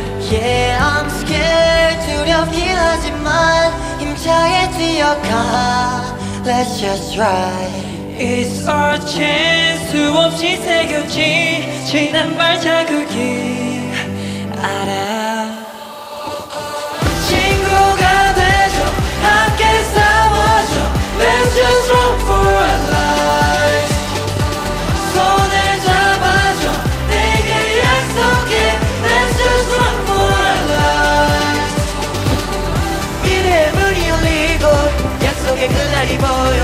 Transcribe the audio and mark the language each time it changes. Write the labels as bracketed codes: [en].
[en] Yeah, I'm scared [ko] 두렵긴 하지만 힘차게 뛰어가. [en] Let's just try. It's our chance. [ko] 수없이 새겨진 진한 발자국이 알아. 친구가 돼줘 함께 싸워줘. [en] Let's just run for our lives. [ko] 손을 잡아줘 내게 약속해. [en] Let's just run for our lives. [ko] 미래의 문이 열리고 약속의 그날이 보여.